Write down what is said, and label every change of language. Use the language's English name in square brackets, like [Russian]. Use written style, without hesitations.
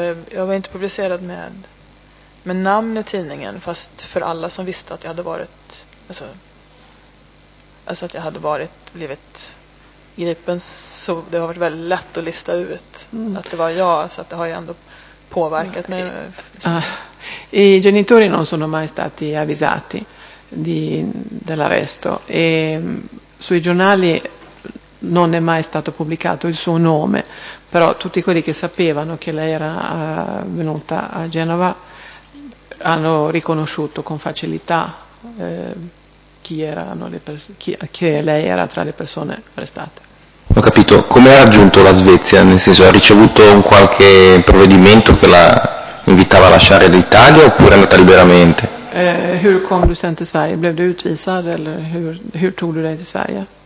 [Swedish] Jag var inte publicerad med namn i tidningen, fast för alla som visste att jag hade varit alltså att jag hade varit blivit gripen, så det har varit väldigt lätt att lista ut att det var jag, så att det har ju ändå påverkat mig. [Italian] I genitori non sono mai stati avvisati dell'arresto e sui giornali non è mai stato pubblicato il suo nome. Però tutti quelli che sapevano che lei era venuta a Genova hanno riconosciuto con facilità che lei era tra le persone arrestate. Ho capito. Come ha raggiunto la Svezia? Nel senso, ha ricevuto un qualche provvedimento che la invitava a lasciare l'Italia oppure è andata liberamente? [Swedish] Hur kom du sen till Sverige? Blev du utvisad eller hur tog du dig till Sverige?